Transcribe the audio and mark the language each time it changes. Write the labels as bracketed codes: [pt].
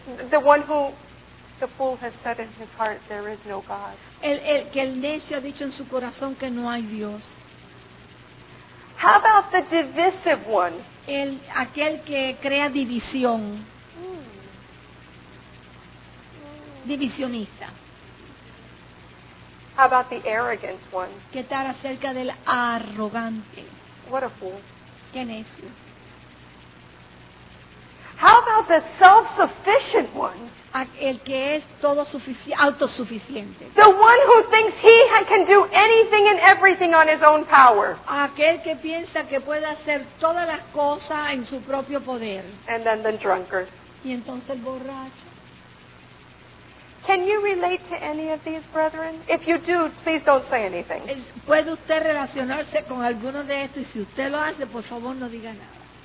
[en] The one who the fool has said in his heart there is no God. [es] El que el necio ha dicho en su corazón que no hay Dios. [en] How about the divisive one? [es] Aquel que crea división. Divisionista. [en] How about the arrogant one? [es] ¿Qué tal acerca del arrogante? [en] What a fool. [es] Qué necio. [en] How about the self-sufficient one? [es] El que es todo autosuficiente. [en] The one who thinks he can do anything and everything on his own power. [es] Aquel que piensa que puede hacer todas las cosas en su propio poder. [en] And then the drunkard. [es] Y entonces el borracho. [en] Can you relate to any of these brethren? If you do, please don't say anything. [es] ¿Puede usted relacionarse con alguno de estos? Y si usted lo hace, por favor, no diga nada.